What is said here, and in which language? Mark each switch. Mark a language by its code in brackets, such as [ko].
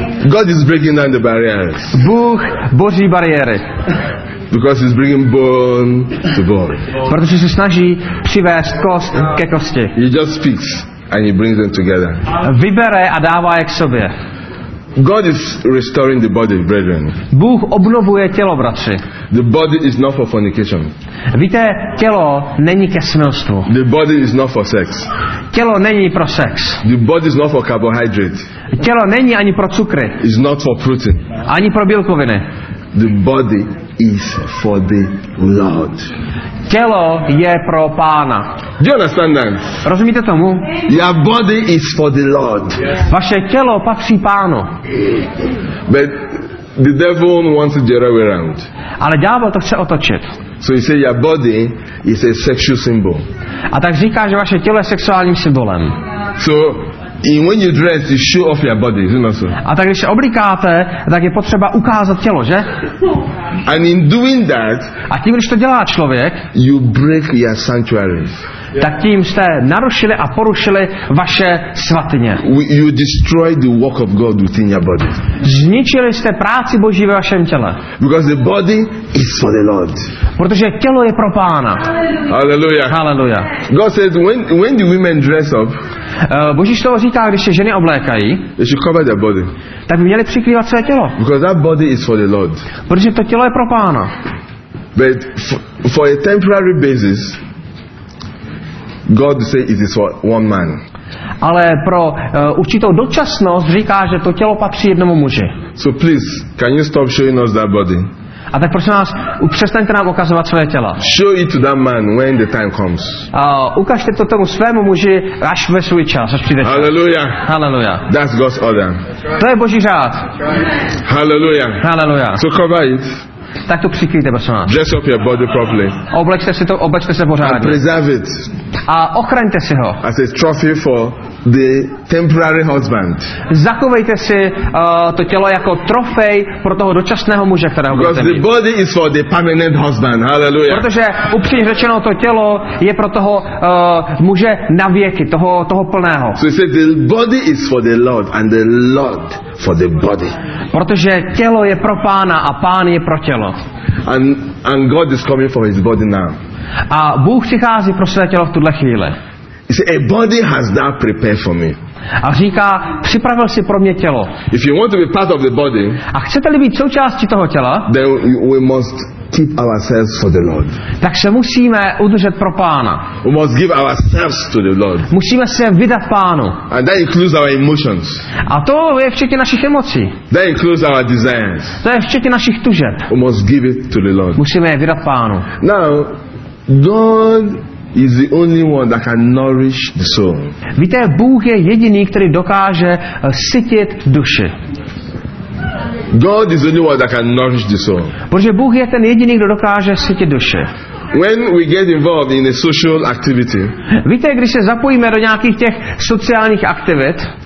[en] God is breaking down the barriers. [cs] Bůh boří bariéry. [en] Because he's bringing bone to bone. [cs] Protože se snaží přivést kost ke kosti. [en] He just speaks and he brings them together. [cs] Vybere a dává je k sobě. [en] God is restoring the body, brethren. [cs] Bůh obnovuje tělo, bratři. [en] The body is not for fornication. [cs] Víte, tělo není ke smilstvu. [en] The body is not for sex. [cs] Tělo není pro sex. [en] The body is not for carbohydrate. [cs] Tělo není ani pro cukry. [en] It's not for protein. [cs] Ani pro bílkoviny. [en] The body is for the Lord. [cs] Tělo je pro Pána. [en] Do you understand that? [cs] Rozumíte tomu? [en] Your body is for the Lord. [cs] Vaše tělo patří Pánu. [en] But the devil wants it the other way around. [cs] Ale ďábel to chce otočit. [en] So he says your body is a sexual symbol. [cs] A tak říká, že vaše tělo je sexuálním symbolem. [en] So and when you dress, you show off your body, isn't that so? [cs] A tak když se oblíkáte, tak je potřeba ukázat tělo, že? [en] And in doing that, [cs] a tím, když to dělá člověk, [en] you break your sanctuary. [cs] Tak tím jste narušili a porušili vaše svatyně. [en] You destroy the work of God within your body. [cs] Zničili jste práci Boží ve vašem těle. [en] Because the body is for the Lord. [cs] Protože tělo je pro Pána. [en] Hallelujah. [cs] Hallelujah. [en] God says when do women dress up? [cs] Boží slovo říká, když se ženy oblékají, [en] they should cover their body. [cs] Tak by měli přikrývat své tělo. [en] Because that body is for the Lord. [cs] Protože to tělo je pro Pána. [en] But for a temporary basis, God say it is for one man. [cs] Ale pro určitou dočasnost říká, že to tělo patří jednomu muži. [en] So please, can you stop showing us that body? [cs] A tak prosím vás, přestaňte nám ukazovat svoje tělo. [en] Show it to that man when the time comes. [cs] Ukažte to tomu svému muži, až ve svůj čas, až přijde čas. [en] Hallelujah. [cs] Hallelujah. [en] That's God's order. [cs] To je Boží řád. [en] Hallelujah. [cs] Hallelujah. [en] So cover it. [cs] Tak to přikryjte, prosím vás. [en] Dress up your body properly. [cs] Oblečte si to, oblečte se pořádně. [en] And preserve it. [cs] A ochraňte si ho. [en] As a trophy for the temporary husband. [cs] Zachovejte si to tělo jako trofej pro toho dočasného muže, kterého budete mít. [en] Because the body is for the permanent husband. Hallelujah. [cs] Protože upřímně řečeno, to tělo je pro toho muže na věky, toho plného. [en] So he said, the body is for the Lord and the Lord for the body. [cs] Protože tělo je pro Pána a Pán je pro tělo. [en] And God is coming for his body now. [cs] A Bůh přichází pro své tělo v tuhle chvíli. [en] He said, a body has that prepared for me. [cs] A říká, připravil si pro mě tělo. [en] If you want to be part of the body, [cs] a chcete-li být součástí toho těla, [en] then we must keep ourselves for the Lord. [cs] Tak se musíme udržet pro Pána. [en] We must give ourselves to the Lord. [cs] Musíme se vydat Pánu. [en] And that includes our emotions. [cs] A to je včetně našich emocí. [en] That includes our desires. [cs] To je včetně našich tužeb. [en] We must give it to the Lord. [cs] Musíme je vydat Pánu. [en] Now, God is the only one that can nourish the soul. [cs] Víte, Bůh je jediný, který dokáže sytit duši. [en] God is the only one that can nourish the soul. [cs] Protože Bůh je ten jediný, kdo dokáže sytit duši. [en] When we get involved in a social activity, [cs] víte, když se zapojíme do nějakých těch sociálních aktivit,